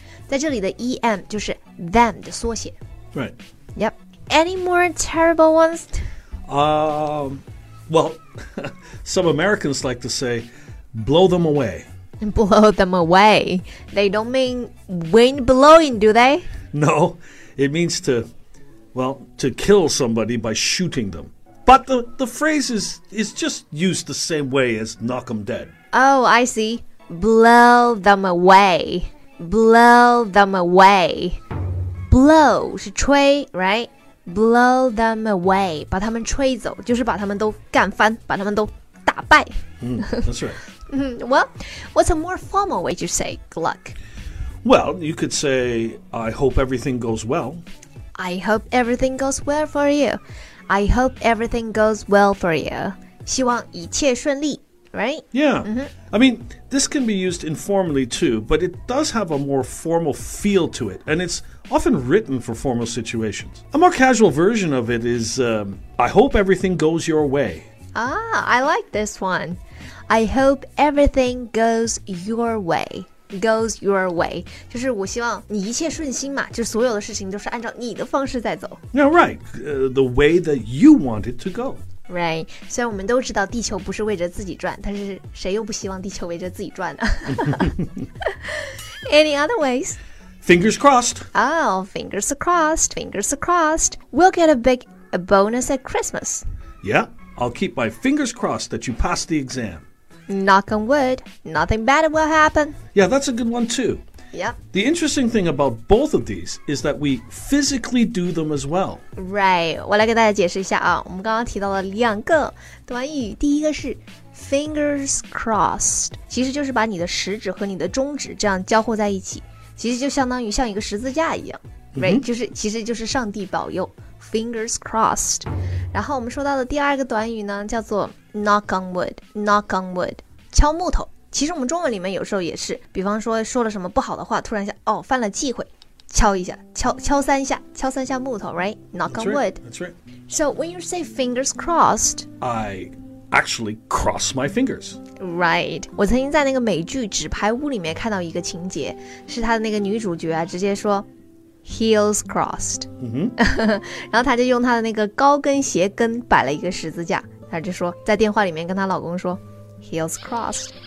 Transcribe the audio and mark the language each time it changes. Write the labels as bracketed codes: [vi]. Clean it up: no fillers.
[zh] 在这里的 E-M 就是 them 的缩写。 [en] Right. Yep. Any more terrible ones? Well, some Americans like to say, blow them away. Blow them away. They don't mean wind blowing, do they? No, it means to kill somebody by shooting them. But the phrase is just used the same way as knock them dead. Oh, I see. Blow them away. Blow them away. Blow [zh] 是吹, [en] right? Blow them away, [zh] 把他们吹走，就是把他们都干翻，把他们都打败。 [en] That's right. Well, what's a more formal way to say good luck? Well, you could say, I hope everything goes well. I hope everything goes well for you. I hope everything goes well for you. [zh] 希望一切顺利。 [en] Right? Yeah.、Mm-hmm. I mean, this can be used informally too, but it does have a more formal feel to it, and it's often written for formal situations. A more casual version of it is, I hope everything goes your way. Ah, I like this one. I hope everything goes your way. Goes your way. [zh] 就是我希望你一切顺心嘛，就所有的事情都是按照你的方式在走。 [en] Yeah, right. The way that you want it to go. Right, [zh] 虽然我们都知道地球不是围着自己转，但是谁又不希望地球围着自己转呢 [en] Any other ways? Fingers crossed. Oh, fingers crossed, fingers crossed. We'll get a big bonus at Christmas. Yeah, I'll keep my fingers crossed that you pass the exam. Knock on wood, nothing bad will happen. Yeah, that's a good one too. Yep. The interesting thing about both of these is that we physically do them as well. Right. [zh] 我来给大家解释一下啊，我们刚刚提到了两个短语，第一个是 fingers crossed， 其实就是把你的食指和你的中指这样交互在一起，其实就相当于像一个十字架一样， [en] right？、 [zh] Mm-hmm. 其实就是上帝保佑 ，fingers crossed。然后我们说到的第二个短语呢，叫做 [en] knock on wood， knock on wood， [zh] 敲木头。其实我们中文里面有时候也是，比方说说了什么不好的话，突然想哦犯了忌讳，敲一下，敲三下木头 ， [en] right? Knock on wood. That's right. So when you say fingers crossed, I actually cross my fingers. Right. [zh] 我曾经在那个美剧《纸牌屋》里面看到一个情节，是他的那个女主角啊，直接说 [en] heels crossed. [zh] 嗯哼。然后他就用他的那个高跟鞋跟摆了一个十字架，他就说在电话里面跟他老公说。 [en] Heels crossed.